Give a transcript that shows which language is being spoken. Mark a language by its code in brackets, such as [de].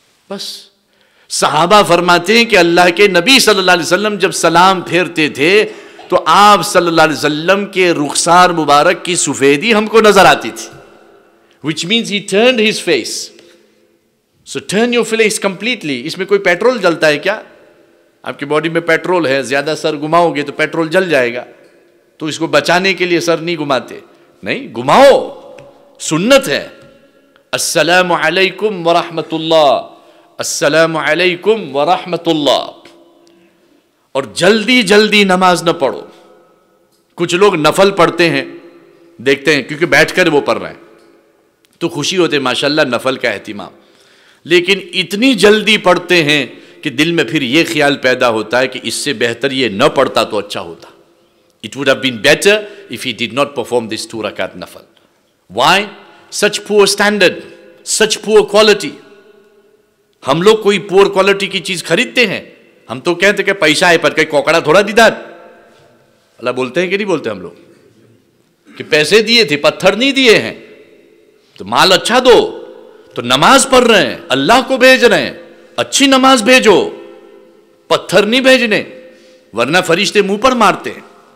[ur] بس صحابہ فرماتے ہیں کہ اللہ کے نبی صلی اللہ علیہ وسلم جب سلام پھیرتے تھے تو آپ صلی اللہ علیہ وسلم کے رخسار مبارک کی سفیدی ہم کو نظر آتی تھی. [en] Which means he turned his face. So turn your face completely. [ur] اس میں کوئی پیٹرول جلتا ہے کیا؟ آپ کی باڈی میں پیٹرول ہے, زیادہ سر گماؤ گے تو پیٹرول جل جائے گا, تو اس کو بچانے کے لیے سر نہیں گماتے. نہیں, گماؤ, سنت ہے. [ar] السلام علیکم ورحمت اللہ, السلام علیکم ورحمت اللہ. [ur] اور جلدی جلدی نماز نہ پڑھو. کچھ لوگ نفل پڑھتے ہیں, دیکھتے ہیں کیونکہ بیٹھ کر وہ پڑھ رہے ہیں تو خوشی ہوتے ہیں, ماشاءاللہ نفل کا اہتمام, لیکن اتنی جلدی پڑھتے ہیں کہ دل میں پھر یہ خیال پیدا ہوتا ہے کہ اس سے بہتر یہ نہ پڑھتا تو اچھا ہوتا. [en] It would have been better if he did not perform this 2 rakat nafal. Why? Such poor standard, such poor quality. [ur] ہم لوگ کوئی poor quality کی چیز خریدتے ہیں, ہم تو کہتے ہیں کہ پیسہ آئے پر کہیں کوکڑا تھوڑا دیدار. اللہ بولتے ہیں کہ نہیں بولتے ہم لوگ کہ پیسے دیئے تھے, پتھر نہیں دیئے ہیں, تو مال اچھا دو. تو نماز پڑھ رہے ہیں, اللہ کو بھیج رہے ہیں, اچھی نماز بھیجو, پتھر نہیں بھیجنے, ورنہ فرشتے منہ پر مارتے ہیں.